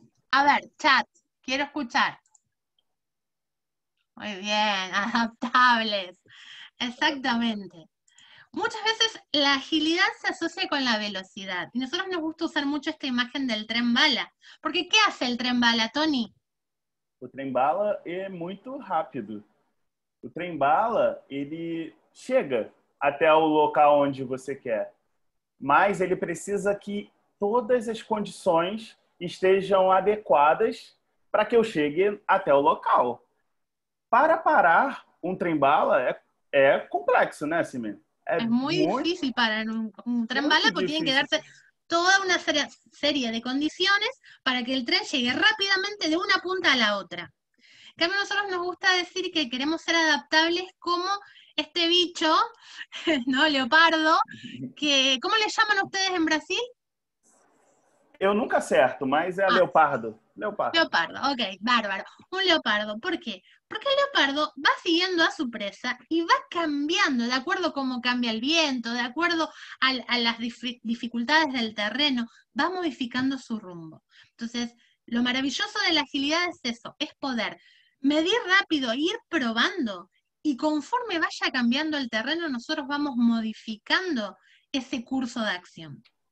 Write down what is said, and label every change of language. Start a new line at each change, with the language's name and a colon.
Spanish: A ver, chat, quiero escuchar. Muy bien, adaptables, exactamente. Muchas veces la agilidad se asocia con la velocidad, y a nosotros nos gusta usar mucho esta imagen del tren bala, porque ¿qué hace el tren bala, Tony?
Portuguese: O trem bala é muito rápido. O trem bala, ele chega até o local onde você quer. Mas ele precisa que todas as condições estejam adequadas para que eu chegue até o local. Para parar um trem-bala é complexo, né, Simen? É muito difícil parar um trem-bala, porque tem que dar-se toda uma série de condições para que o trem chegue rapidamente de uma ponta à outra.
Spanish: Cambio, a nosotros nos gusta decir que queremos ser adaptables como este bicho, ¿no? Leopardo, que, ¿cómo le llaman ustedes en Brasil? Yo nunca
Portuguese: acerto, mas é leopardo. Leopardo.
Spanish: Leopardo, ok, bárbaro. Un leopardo, ¿por qué? Porque el leopardo va siguiendo a su presa y va cambiando de acuerdo a cómo cambia el viento, de acuerdo a las dificultades del terreno, va modificando su rumbo. Entonces, lo maravilloso de la agilidad es eso, es poder medir rápido, ir probando, y conforme vaya cambiando el terreno, nosotros vamos modificando ese curso de acción.